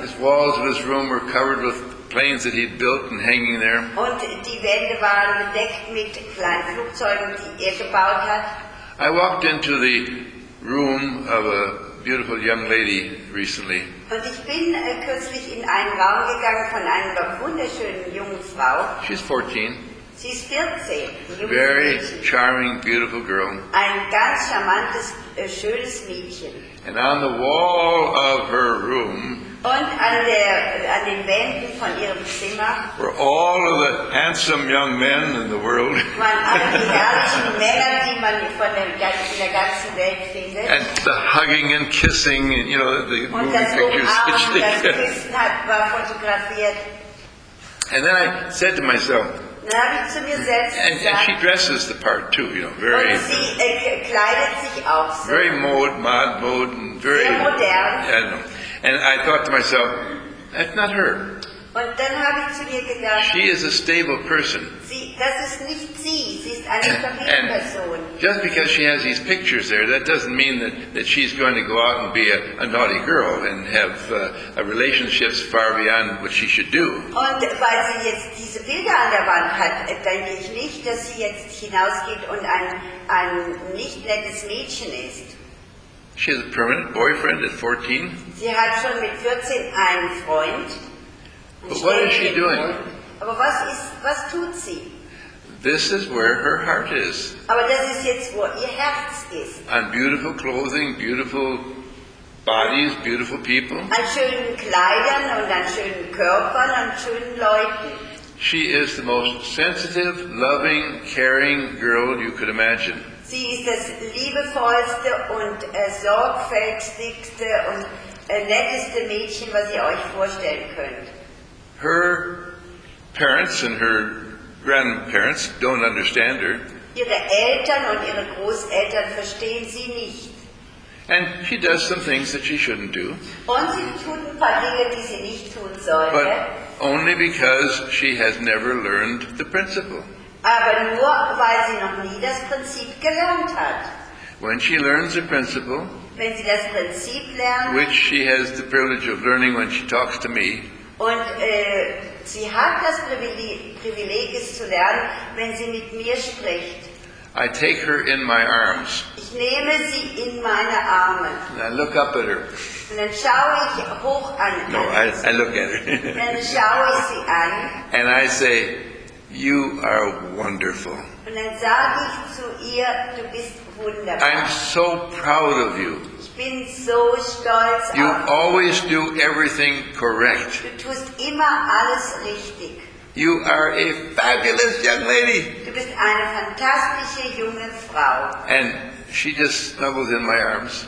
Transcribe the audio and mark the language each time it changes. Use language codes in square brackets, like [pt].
[en] His walls of his room were covered with planes that he'd built and hanging there. [de] Und die Wände waren bedeckt mit kleinen Flugzeugen, die gebaut hat. [en] I walked into the room of a beautiful young lady recently. [de] Und ich bin kürzlich in einen Raum gegangen von einer wunderschönen jungen Frau. [en] She's 14. [de] Sie ist 14. [en] Very charming, beautiful girl. [de] Ein ganz charmantes, schönes Mädchen. [en] And on the wall of her room. [de] Und an den Wänden von ihrem Zimmer. [en] Were all of the handsome young men in the world. [de] Waren alle die herrlichen Männer, die man in der ganzen Welt findet. [en] And the hugging and kissing, and, you know, the movie pictures. [de] Und das Umarmen, das Kissen war fotografiert. [en] And then I said to myself. [de] Dann habe ich zu mir selbst gesagt. [en] And she dresses the part too, you know, very. [de] Und sie kleidet sich auch so. [en] Very mode, and very. [de] Sehr modern. [en] Yeah, I know. And I thought to myself, that's not her. [de] Und dann habe ich zu mir gedacht, [en] she is a stable person. [de] Das ist nicht sie. Sie ist eine stabile Person. [en] Just because she has these pictures there, that doesn't mean that she's going to go out and be a naughty girl and have relationships far beyond what she should do. [de] Und weil sie jetzt diese Bilder an der Wand hat, denke ich nicht, dass sie jetzt hinausgeht und ein nicht nettes Mädchen ist. [en] She has a permanent boyfriend at 14. [de] Sie hat schon mit 14 einen Freund. [en] But what is she doing? [de] Aber was ist, was tut sie? [en] This is where her heart is. [de] Aber das ist jetzt, wo ihr Herz ist. [en] On beautiful clothing, beautiful bodies, beautiful people. [de] An schönen Kleidern und an schönen Körpern und schönen Leuten. [en] She is the most sensitive, loving, caring girl you could imagine. [de] Sie ist das liebevollste und sorgfältigste und netteste Mädchen, was ihr euch vorstellen könnt. [en] Her parents and her grandparents don't understand her. [de] Ihre Eltern und ihre Großeltern verstehen sie nicht. [en] And she does some things that she shouldn't do. [de] Und sie tut ein paar Dinge, die sie nicht tun sollte. [en] But only because she has never learned the principle. [de] Aber nur, weil sie noch nie das Prinzip gelernt hat. [en] When she learns the principle, [de] wenn sie das Prinzip lernt, [en] which she has the privilege of learning when she talks to me, [de] und sie hat das Privileg, es zu lernen, wenn sie mit mir spricht. [en] I take her in my arms. [de] Ich nehme sie in meine Arme. [en] And I look up at her. [de] Und dann schaue ich hoch an. [en] No, I look at her. [de] Dann schaue ich sie an. [en] And I say, you are wonderful. [de] Und dann sage ich zu ihr, du bist wunderbar. [en] I'm so proud of you. [de] Ich bin so stolz. [en] You always do everything correct. [de] Du tust immer alles richtig. [en] You are a fabulous young lady. [de] Du bist eine fantastische junge Frau. [en] And she just snuggles in my arms.